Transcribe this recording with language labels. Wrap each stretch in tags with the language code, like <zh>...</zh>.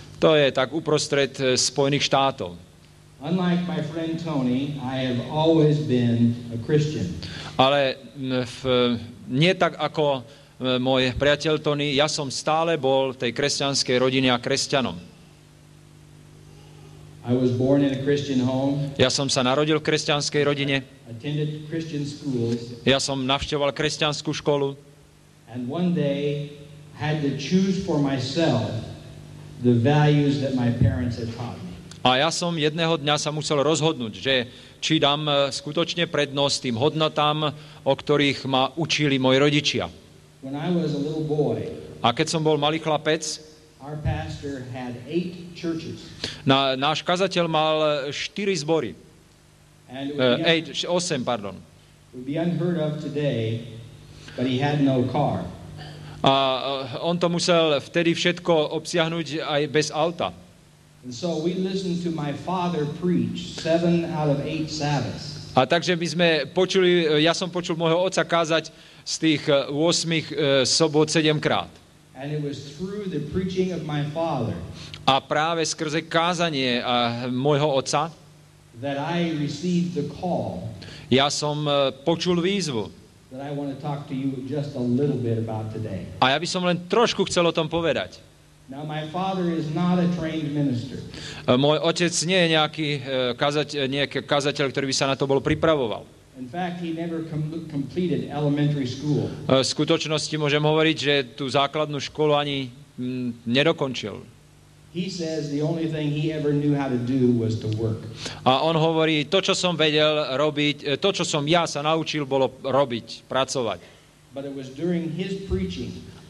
<sk>To je tak uprostred Spojených štátov.</sk> <en>Unlike my friend Tony, I have always been a Christian.</en> <sk>Ale nie tak ako môj priateľ Tony, ja som stále bol v tej kresťanskej rodine a kresťanom.</sk> <en>I was born in a Christian home.</en> <sk>Ja som sa narodil v kresťanskej rodine.</sk> <en>Attended Christian schools.</en> <sk>Ja som navštevoval kresťanskú školu.</sk> <en>And one day had to choose for myself the values that my parents had taught me.</en> <sk>A ja som jedného dňa sa musel rozhodnúť, že či dám skutočne prednosť tým hodnotám, o ktorých ma učili moji rodičia.</sk> <en>When I was a little boy.</en> <sk>A keď som bol malý chlapec,</sk> <en>our pastor had 8 churches.</en> <sk>Náš kazateľ mal 4 zbory.</sk> <en>And it would be unheard of today, but he had no car.</en> <sk>A on to musel vtedy všetko obsiahnuť aj bez auta.</sk> <en>And so we listened to my father preach 7 out of 8 Sabbaths.</en> <sk>A takže my sme počuli, ja som počul môjho otca kázať z tých 8 sobot 7-krát.</sk> <en>And it was through the preaching of my father.</en> <sk>A práve skrze kázanie môjho otca</sk> <en>that I received the call.</en> <sk>Ja som počul výzvu.</sk> <en>That I want to talk to you just a little bit about today.</en> <sk>A ja by som len trošku chcel o tom povedať.</sk> <en>Now my father is not a trained minister.</en> <sk>Môj otec nie je nejaký kazateľ, ktorý by sa na to bol pripravoval.</sk> <en>In fact, he never completed elementary school.</en> <sk>V skutočnosti môžem hovoriť, že tú základnú školu ani nedokončil.</sk> <en>He says the only thing he ever knew how to do was to work.</en> <sk>A on hovorí, to čo som vedel robiť, to čo som ja sa naučil, bolo robiť, pracovať.</sk> <en>But it was during his preaching.</en>